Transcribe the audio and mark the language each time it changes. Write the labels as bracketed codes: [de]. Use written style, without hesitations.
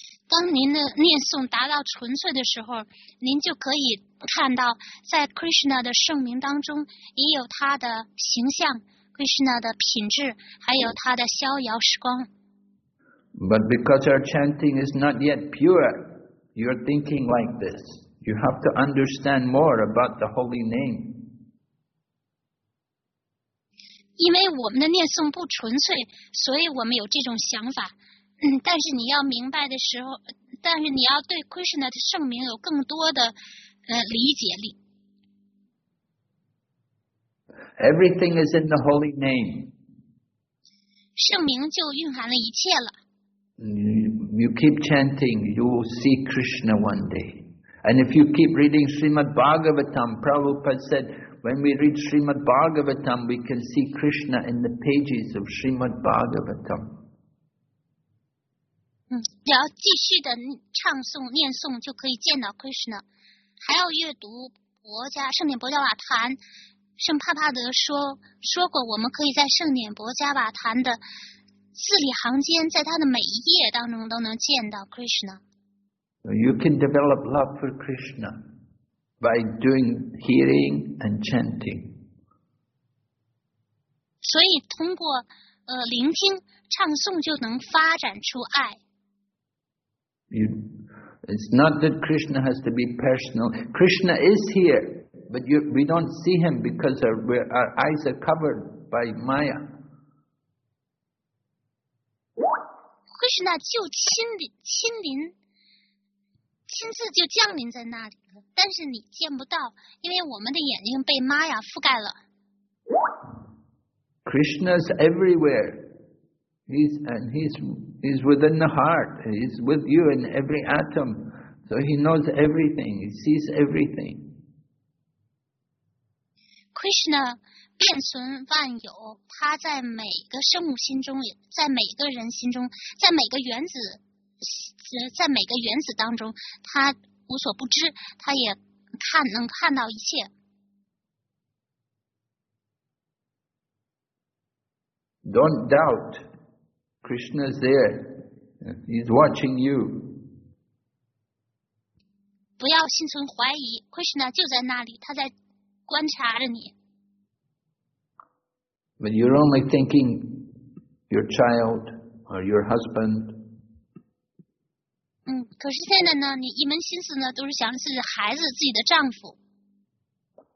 [zh] 当您的念诵达到纯粹的时候，您就可以看到在 Krishna 的圣名当中也有他的形象， Krishna 的品质，还有他的逍遥时光。 [en] But because our chanting is not yet pure, you're thinking like this. You have to understand more about the holy name. [zh] 因为我们的念诵不纯粹，所以我们有这种想法。但是你要明白的时候，但是你要对 Krishna 的圣名有更多的理解力。 [en] Everything is in the holy name. [zh] 圣名就蕴含了一切了。 [en] You keep chanting, you will see Krishna one day. And if you keep reading Srimad Bhagavatam, Prabhupada said, when we read Srimad Bhagavatam, we can see Krishna in the pages of Srimad Bhagavatam. [zh] 要继续的唱诵念诵就可以见到 Krishna. 还要阅读圣典薄伽瓦坛。圣帕帕德说过我们可以在圣典薄伽瓦坛的字里行间，在他的每一页当中都能见到 Krishna. [en] You can develop love for Krishna by doing hearing and chanting. [zh] 所以通过聆听唱诵就能发展出爱。 [en] It's not that Krishna has to be personal. Krishna is here, but we don't see him because our eyes are covered by Maya. [zh] Krishna 就亲临。亲自就降临在那里了，但是你见不到，因为我们的眼睛被玛雅覆盖了。 [en] Krishna's everywhere. He's within the heart. He's with you in every atom. So he knows everything. He sees everything. [zh] Krishna 变存万有，他在每个生物心中，在每个人心中，在每个原子，在每个原子当中，他无所不知，他也看能看到一切。 [en] Don't doubt, Krishna is there. He's watching you. [zh] 不要心存怀疑， Krishna 就在那里，他在观察着你。 [en] But you're only thinking your child or your husband. [zh] 嗯，可是现在呢，你一门心思呢，都是想自己的孩子，自己的丈夫。